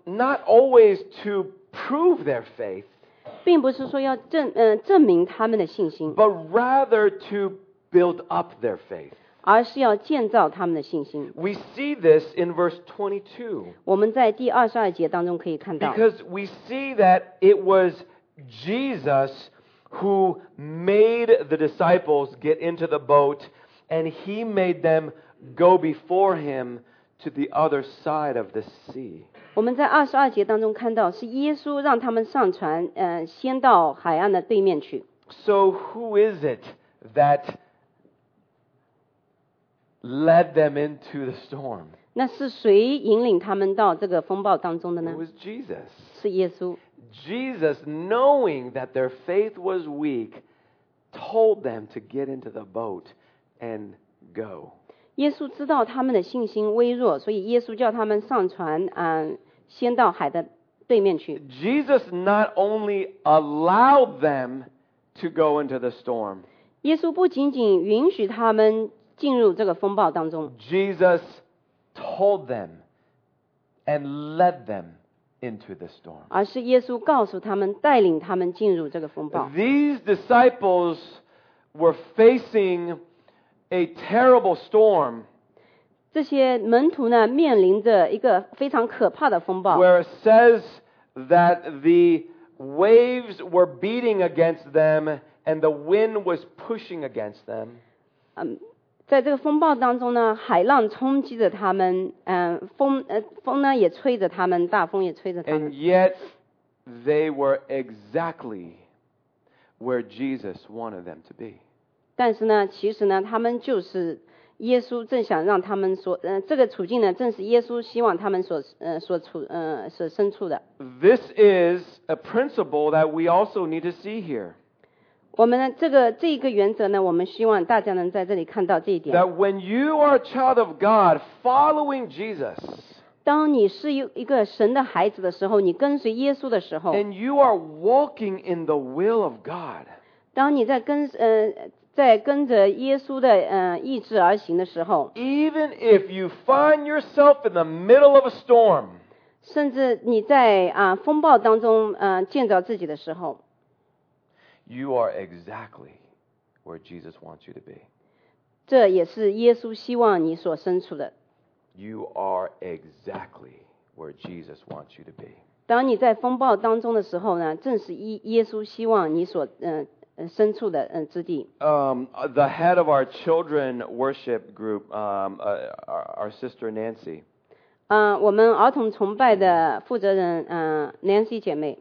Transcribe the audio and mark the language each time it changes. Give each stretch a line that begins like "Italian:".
English: Not always to prove their faith.
Chinese: 并不是说要证明他们的信心。
English: But rather to build up their faith.
Chinese: 而是要建造他们的信心。
English: We see this in verse 22.
Chinese: 我们在第二十二节当中可以看到。
English: Because we see that it was Jesus who made the disciples get into the boat, and he made them go before him to the other side of the sea.
Chinese: 我们在二十二节当中看到，是耶稣让他们上船，先到海岸的对面去。
English: So who is it that led them into the storm?
Chinese: 那是谁引领他们到这个风暴当中的呢？
English: It was Jesus.
Chinese: 是耶稣。
English: Jesus, knowing that their faith was weak, told them to get into the boat and go.
Chinese: 耶稣知道他们的信心微弱，所以耶稣叫他们上船，先到海的对面去。
English: Jesus not only allowed them to go into the storm.
Chinese: 耶稣不仅仅允许他们进入这个风暴当中。
English: Jesus told them and led them. Into the storm.
Chinese: 而是耶稣告诉他们，带领他们进入这个风暴。
English: These disciples were facing a terrible storm.
Chinese: 这些门徒呢，面临着一个非常可怕的风暴。
English: Where it says that the waves were beating against them and the wind was pushing against them.
Chinese: 在这个风暴当中呢，海浪冲击着他们，风呢也吹着他们，大风也吹着他们。
English: And yet they were exactly where Jesus wanted them to be.
Chinese: 但是呢，其实呢，他们就是耶稣正想让他们所，这个处境呢，正是耶稣希望他们所身处的。
English: This is a principle that we also need to see here.
Chinese: 我们这个原则呢，我们希望大家能在这里看到这一点。
English: That when you are a child of God, following Jesus,
Chinese: 当你是一个神的孩子的时候，你跟随耶稣的时候
English: ，and you are walking in the will of God,
Chinese: 当你在跟着耶稣的意志而行的时候
English: ，even if you find yourself in the middle of a storm,
Chinese: 甚至你在风暴当中见着自己的时候。
English: You are exactly where Jesus wants you to be.
Chinese: 这也是耶稣希望你所身处的。
English: You are exactly where Jesus wants you to be.
Chinese: 当你在风暴当中的时候呢，正是耶稣希望你所身处的之地。
English: The head of our children worship group, our sister Nancy.
Chinese: 我们儿童崇拜的负责人Nancy 姐妹。